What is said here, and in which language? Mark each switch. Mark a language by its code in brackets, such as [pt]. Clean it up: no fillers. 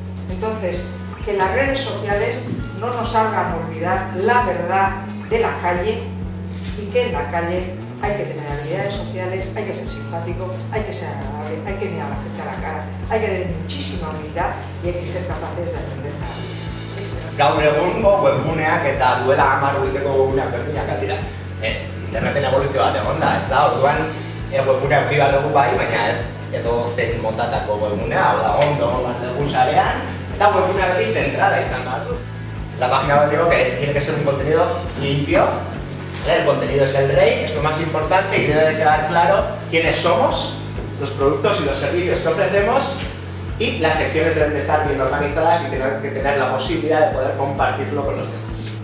[es] Entonces, que las redes sociales no nos hagan olvidar la verdad de la calle, y que en la calle hay que tener habilidades sociales, hay que ser simpático, hay que ser agradable, hay que mirar a la gente a la cara, hay que tener muchísima humildad y hay que ser capaces de aprender la vida. [eu] Gaur egungo webguneak eta duela 10 urteko webguneak berdinak al dira. Ez, interneten evoluzio bat egon da, ez da, orduan webgunea eduki behar dugu bai, baina ez edo zein motatako webgunea, hau da, ondo, bat dugu sarean, eta webgunea beti zentrala izan behar du. [es] La página web digo que tiene que ser un contenido limpio, el contenido es el rey, es lo más importante y debe de quedar claro quiénes somos, los productos y los servicios que ofrecemos, y las secciones deben de estar bien organizadas y tener que tener la posibilidad de poder compartirlo con los demás.